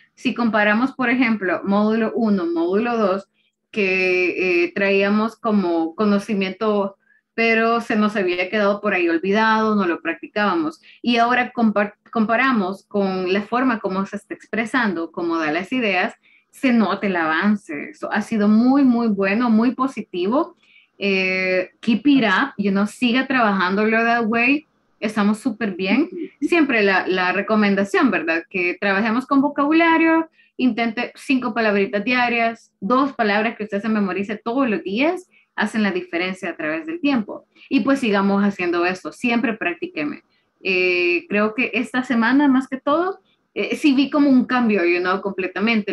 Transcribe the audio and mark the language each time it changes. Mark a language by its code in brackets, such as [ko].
[es] Si comparamos, por ejemplo, módulo 1, módulo 2, que traíamos como conocimiento, pero se nos había quedado por ahí olvidado, no lo practicábamos. Y ahora comparamos con la forma como se está expresando, cómo da las ideas, se nota el avance. Eso ha sido muy, muy bueno, muy positivo. [en] Keep it up, you know, [es] siga trabajándolo [en] that way. [es] Estamos súper bien. Siempre la recomendación, ¿verdad? Que trabajemos con vocabulario, intente 5 palabritas diarias, 2 palabras que usted se memorice todos los días, hacen la diferencia a través del tiempo. Y pues sigamos haciendo esto, siempre practíqueme. Creo que esta semana, más que todo, sí vi como un cambio, you know, completamente.